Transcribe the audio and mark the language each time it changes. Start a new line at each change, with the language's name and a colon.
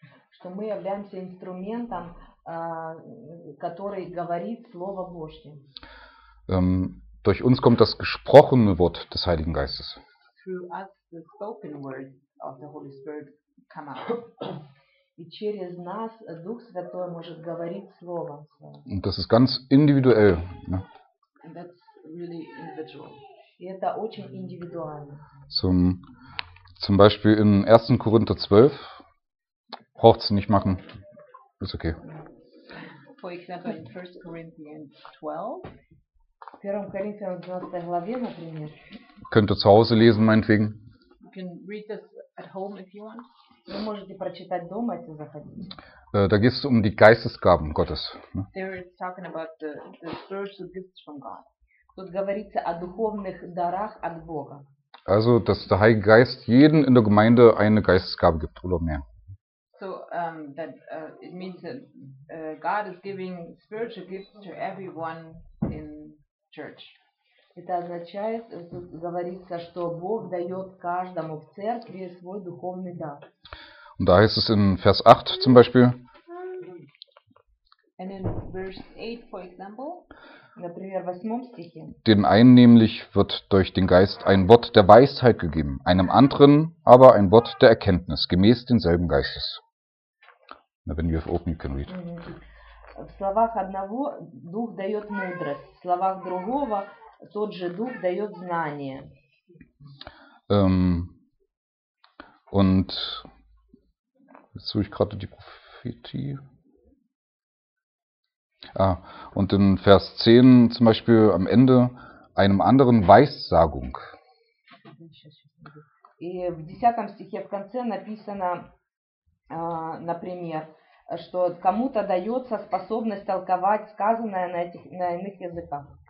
Russian: Что мы являемся инструментом, который говорит Слово Божье.
German: Durch uns kommt das gesprochene Wort des Heiligen Geistes.
English: Through us, the spoken word of the Holy Spirit come out.
Russian: И через нас Дух Святой может говорить Слово.
German: Und das ist ganz individuell. Ne?
English: And that's really individual.
Russian: И это очень индивидуально.
German: Zum Beispiel in 1. Korinther 12. Braucht's nicht machen. Ist okay.
English: For example, in 1. Corinthians 12.
German: 1. Korinther 12.
Russian: Главе, например.
German: Könnt ihr zu Hause lesen, meinetwegen.
English: You can read this at home if you want.
Russian: Вы можете прочитать дома, если захотите.
German: Da geht es um die Geistesgaben Gottes.
English: There it's talking about the spiritual gifts from God.
Russian: Тут говорится о духовных дарах от Бога.
German: Also, dass der Heilige Geist jeden in der Gemeinde eine Geistesgabe gibt oder mehr.
English: So, that it means that God is giving spiritual gifts to everyone in church.
Russian: Это означает, говорится, что Бог дает каждому в церкви свой духовный дар.
German: Und da heißt es in Vers 8 zum Beispiel.
English: And in verse 8, for example.
Russian: Например, восьмом стихе.
German: Den einen nämlich wird durch den Geist ein Wort der Weisheit gegeben, einem anderen aber ein Wort der Erkenntnis, gemäß denselben Geistes.
English: When you have open, you can read.
Russian: В словах одного дух дает мудрость, в словах другого тот же дух дает знание.
German: Und jetzt suche ich gerade die Prophetie. Ah, und in Vers 10 zum Beispiel am Ende einem anderen Weissagung.
Russian: В 10 стихе в конце написано, например, что кому-то дается способность толковать сказанное на иных языках.